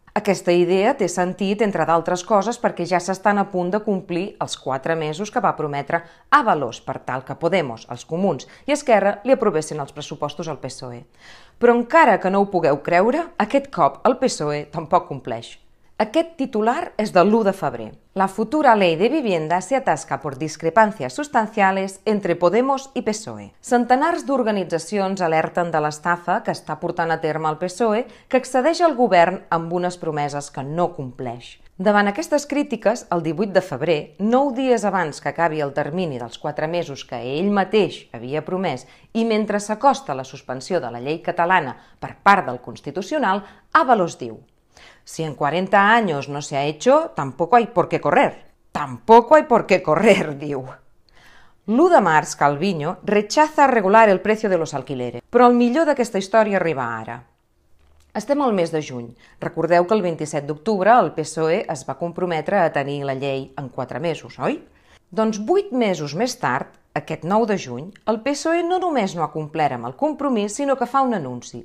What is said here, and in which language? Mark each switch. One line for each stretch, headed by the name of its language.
Catalan: Aquesta idea té sentit, entre d'altres coses, perquè ja s'estan a punt de complir els 4 mesos que va prometre Ábalos per tal que Podemos, els Comuns i Esquerra li aprovessin els pressupostos al PSOE. Però encara que no ho pugueu creure, aquest cop el PSOE tampoc compleix. Aquest titular és de l'1 de febrer.
Spanish: La futura ley de vivienda se atasca por discrepancias sustanciales entre Podemos y PSOE.
Catalan: Centenars d'organitzacions alerten de l'estafa que està portant a terme el PSOE, que accedeix al govern amb unes promeses que no compleix. Davant aquestes crítiques, el 18 de febrer, 9 dies abans que acabi el termini dels 4 mesos que ell mateix havia promès i mentre s'acosta la suspensió de la llei catalana per part del Constitucional, Ábalos diu: si en 40 anys no s'ha hecho,
Spanish: tampoco hay por qué correr. Tampoco hay por qué correr, diu.
Catalan: L'1 de març,
Spanish: Calviño rechaza regular el precio de los alquileres.
Catalan: Però el millor d'aquesta història arriba ara. Estem al mes de juny. Recordeu que el 27 d'octubre el PSOE es va comprometre a tenir la llei en 4 mesos, oi? Doncs 8 mesos més tard, aquest 9 de juny, el PSOE no només no ha complert amb el compromís, sinó que fa un anunci.